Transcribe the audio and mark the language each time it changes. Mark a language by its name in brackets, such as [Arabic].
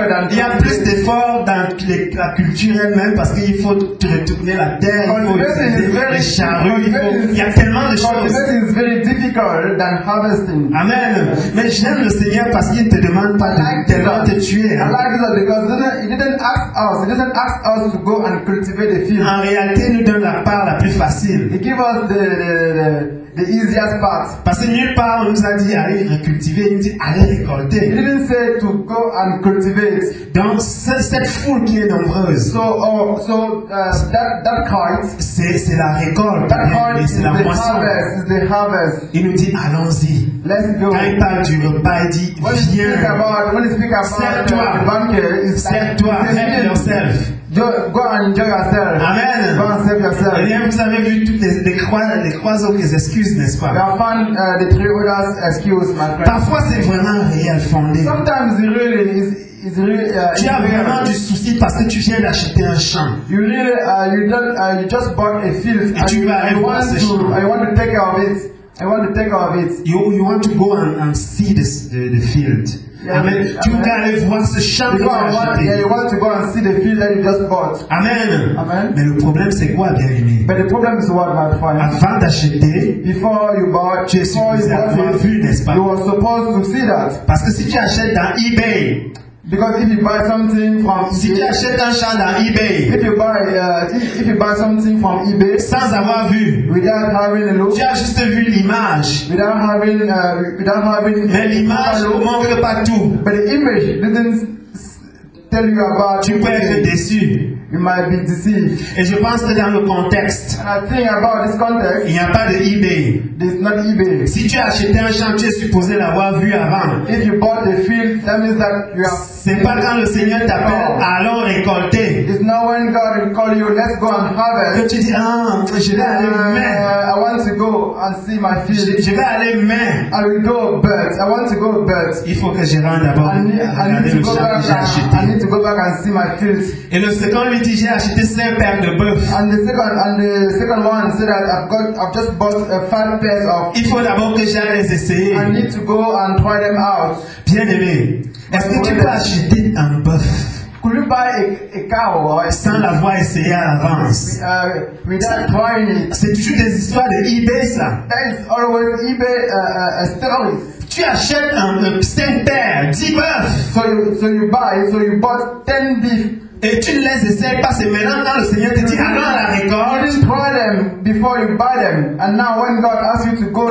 [French] Il y a plus d'efforts dans la culture elle-même parce qu'il faut te retourner la terre, il faut utiliser les charrues, il y a tellement de choses. Amen. Mais j'aime le Seigneur parce qu'il ne te demande pas tellement de tuer. [English] He didn't ask us to go and cultivate the field. [French] En réalité, il nous donne la part la plus facile. [English] He gave us the easiest part. [French] Parce que nulle part on nous a dit allez cultiver, il nous dit allez récolter. [English] He didn't say to go and cultivate. [French] Donc cette foule qui est nombreuse. [English] So that crowd. [French] C'est la récolte. [English] That crowd [French] c'est [English] is [French] la [English] the [French] moisson. [English] Harvest. Is the harvest. [French] Il nous dit allons-y. [English] Let's go. [French] Quand il parle du repas, il dit viens. [English] When he speak about [French] serre-toi. [English] The banquet, [French] serre-toi. [English] Help yourself. Go enjoy yourself. Amen. Go and save yourself. [French] Et bien, vous avez vu toutes les croiseaux, les excuses, n'est-ce pas? [English] We have found the three others excuses, my friend. [French] Parfois, c'est vraiment réel, fondé. [English] Sometimes it really is. It's really, [French] tu as vraiment du souci parce que tu viens d'acheter un champ. [English] You really, you just bought a field. [French] Et tu vas aller voir ce champ. [English] I want to take care of it. I want to take care of it. You want to go and see this the field. Yeah, amen. [French] Yeah, tu vas aller voir ce champ que tu as acheté. [English] Yeah, you want to go and see the field that you just bought. Amen. Amen. [French] Mais le problème c'est quoi, bien aimé? [English] But the problem is what, my friend? [French] Avant d'acheter, [English] before you bought, [French] tu es supposé avoir vu, n'est-ce pas? [English] You were supposed to see that. [French] Parce que si tu achètes dans eBay. [English] Because if you buy something from [French] si tu achètes un champ dans eBay, [English] if you buy something from eBay [French] sans avoir vu, [English] without having a look, [French] tu as juste vu l'image, [English] without having [French] mais l'image ne montre pas tout, [English] but the image didn't tell you about, [French] tu peux être déçu. [English] You might be deceived. [French] Et je pense que dans le contexte, [English] I think about this context, [French] il n'y a pas de eBay. [English] There's not eBay. [French] Si tu as acheté un champ, tu es supposé l'avoir vu avant. [English] If you bought the field, that means that you have. [French] C'est pas quand le Seigneur t'appelle, allons récolter. [English] It's not when God will call you, let's go and harvest. [French] Que tu dis, ah, je vais aller mais. [English] I want to go and see my field. [French] Je vais aller mais. [English] I will go but. I want to go but. [French] Il faut que je rentre d'abord. [English] I need to go back and see my field. [French] Et le second lui dit, j'ai acheté 5 paires de bœufs. [English] And the second one said that I've just bought 5 pairs of. [French] Il faut d'abord que j'aille les essayer. [English] I need to go and try them out. [French] Bien aimé. Est-ce que tu peux acheter un bœuf? [English] Could you buy a cow or a [French] sans l'avoir essayé à l'avance? [English] Without trying it. [French] C'est toujours des histoires de eBay, ça. [English] That is always eBay story. [French] Tu achètes un 5 paires, 10 bœufs. [English] So you bought 10 beef. [French] Et tu ne les essayes pas, c'est maintenant quand le Seigneur te dit, allons à la récolte. [English] You didn't try them before you buy them. And now when God asks you to go,